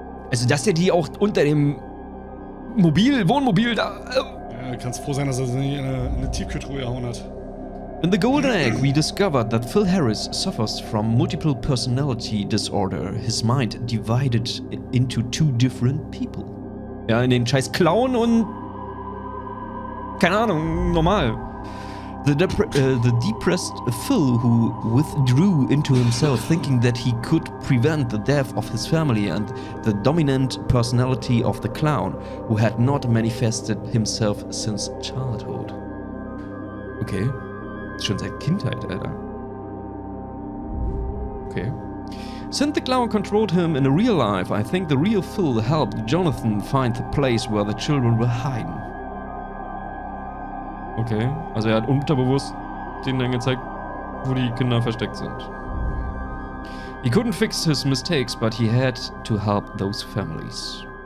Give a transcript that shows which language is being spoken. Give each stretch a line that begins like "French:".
German: Also, dass der die auch unter dem Wohnmobil da... Kannst froh sein, dass er sie nicht in eine Tiefkühltruhe gehauen hat.
English: In the Golden Egg, we discovered that Phil Harris suffers from multiple personality disorder. His mind divided into two different people.
German: Ja, in den scheiß Clown und... Keine Ahnung, normal.
English: The depressed Phil, who withdrew into himself, thinking that he could prevent the death of his family, and the dominant personality of the clown, who had not manifested himself since childhood. Okay.
German: Schon seit Kindheit, Alter.
English: Okay. Since the clown controlled him in a real life, I think the real Phil helped Jonathan find the place where the children were hiding.
German: Okay, also er hat unterbewusst denen dann gezeigt, wo die Kinder versteckt sind.
English: He couldn't fix his mistakes, but he had to help those families.